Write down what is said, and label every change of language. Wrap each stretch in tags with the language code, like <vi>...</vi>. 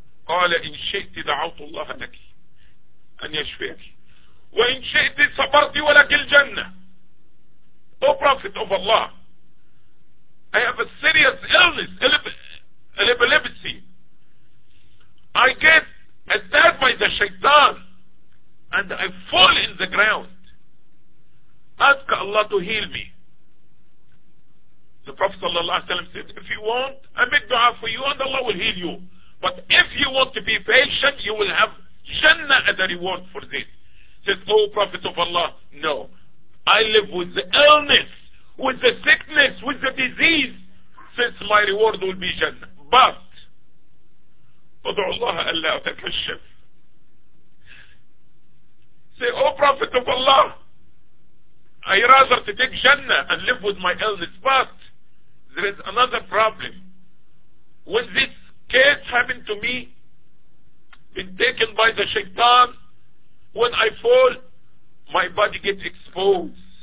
<ar>قال إن شئت دعوت الله لك أن يشفيك وإن شئت صبرت ولك الجنة</ar> <en>O Prophet of Allah, I have a serious illness, epilepsy. I get attacked by the shaitan and I fall in the ground. Ask Allah to heal me. The Prophet said, if you want, I make dua for you and Allah will heal you. But if you want to be patient, you will have Jannah as a reward for this. Says, O Prophet of Allah, no. I live with the illness, with the sickness, with the disease. Says, my reward will be Jannah.</en> <ar>But, ادعو الله ألا تكشف.</ar> <en>Say, O Prophet of Allah, I rather to take Jannah and live with my illness. But, there is another problem. When this case happened to me, been taken by the shaitan, when I fall, my body gets exposed.</en>